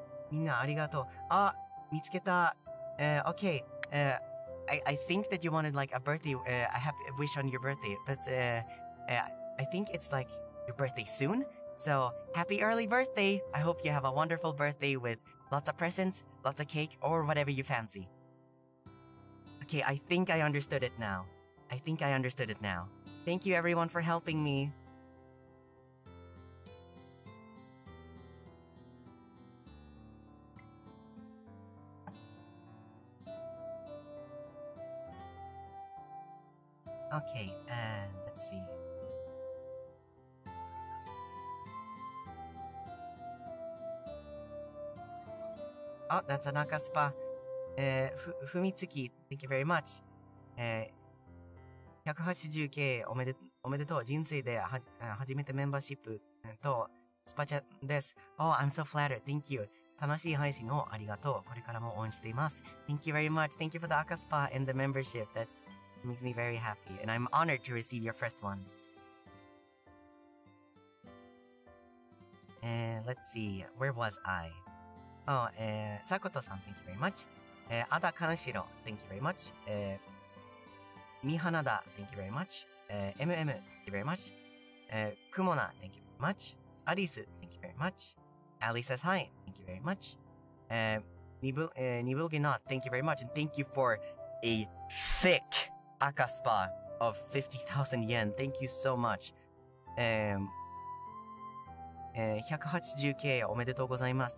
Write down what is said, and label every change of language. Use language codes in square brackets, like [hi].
[ja] みんなありがとう。あ、見つけた。 [en] Okay. I think that you wanted like a birthday. I have a wish on your birthday, but I think it's like your birthday soon. So happy early birthday. I hope you have a wonderful birthday with lots of presents, lots of cake, or whatever you fancy. Okay, I think I understood it now. I think I understood it now. Thank you everyone for helping me. Okay, let's see. Oh, that's Anaka Spa. Fumitsuki, thank you very much. [ja] 180K おめでとう。人生で初めてメンバーシップとスパチャです。 [en] Oh, I'm so flattered. Thank you. [ja] 楽しい配信をありがとう。これからも応援しています。 [en] Thank you very much. Thank you for the Akaspa and the membership. That makes me very happy. And I'm honored to receive your first ones. Let's see. Where was I? Oh, Sakoto-san, thank you very much. Ada Kanashiro, thank you very much. Mihanada, thank you very much. MM, thank you very much. Kumona, thank you very much. Alice, thank you very much. Ali says hi, thank you very much. Nibulginot, thank you very much. And thank you for a thick Akaspa of 50,000 yen. Thank you so much. [ja] 180K, おめでとうございます。